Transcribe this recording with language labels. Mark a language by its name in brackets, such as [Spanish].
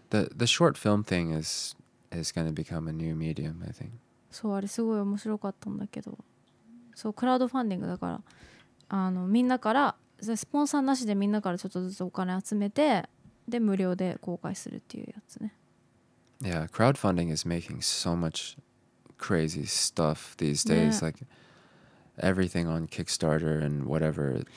[English] The short film thing is going to become a new medium, I think. [Japanese] So, あれすごい面白かったんだけど。そう、クラウドファンディングだから、あの、みんなから、スポンサーなしでみんなからちょっとずつお金集めて、で、無料で公開するっていうやつね。Yeah, [English] crowdfunding is making so much crazy stuff these days, like everything on Kickstarter and whatever.